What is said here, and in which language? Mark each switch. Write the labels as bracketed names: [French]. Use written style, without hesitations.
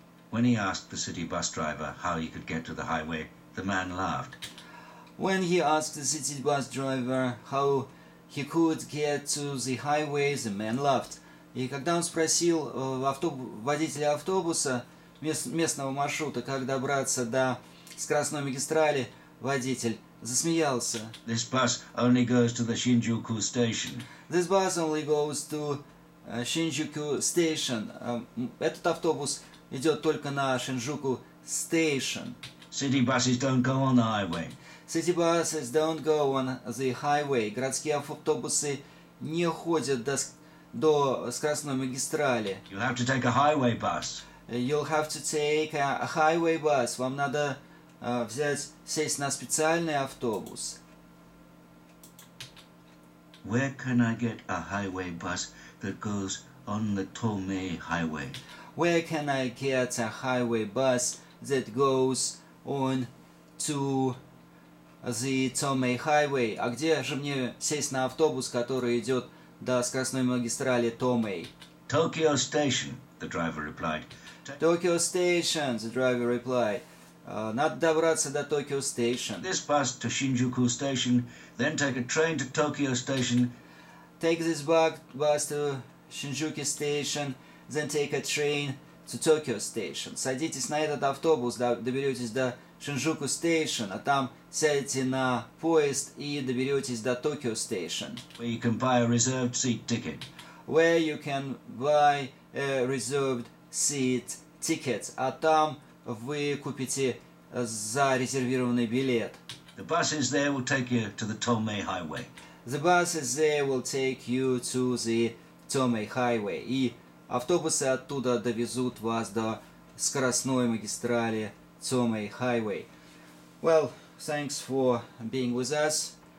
[English] When he asked the city bus driver how he could get to the highway, the man laughed. When he asked the city bus driver how he could get to the highway, the man laughed. [Russian] И когда он спросил водителя автобуса местного маршрута, как добраться до скоростной магистрали, водитель засмеялся. [English] This bus only goes to the Shinjuku station. This bus only goes to Shinjuku station. [Russian] Этот автобус идет только на Шинджуку Station. [English] City buses don't go on the highway. City buses don't go on the highway. [Russian] Городские автобусы не ходят до скоростной магистрали. [English] You'll have to take a highway bus. You'll have to take a highway bus. [Russian] Вам надо сесть на специальный автобус. [English] Where can I get a highway bus that goes on the Tournai Highway? Where can I get a highway bus that goes on to the Tournai Highway? [Russian] А где же мне сесть на автобус, который идет до скоростной магистрали Tournai? [English] Tokyo Station, the driver replied. Tokyo Station, the driver replied. [Russian] Надо добраться до Tokyo Station. [English] This bus to Shinjuku Station, then take a train to Tokyo Station. Take this bus to Shinjuku Station, then take a train to Tokyo Station. [Russian] Садитесь на этот автобус, доберетесь до Шинджуку Station, а там сядете на поезд и доберетесь до Tokyo Station. [English] Where you can buy a reserved seat ticket. Where you can buy a reserved seat ticket. [Russian] А там вы купите зарезервированный билет. [English] The buses there will take you to the Tomei Highway. The buses there will take you to the Tomei Highway. [Russian] И автобусы оттуда довезут вас до скоростной магистрали Tomei Highway. [English] Well, thanks for being with us.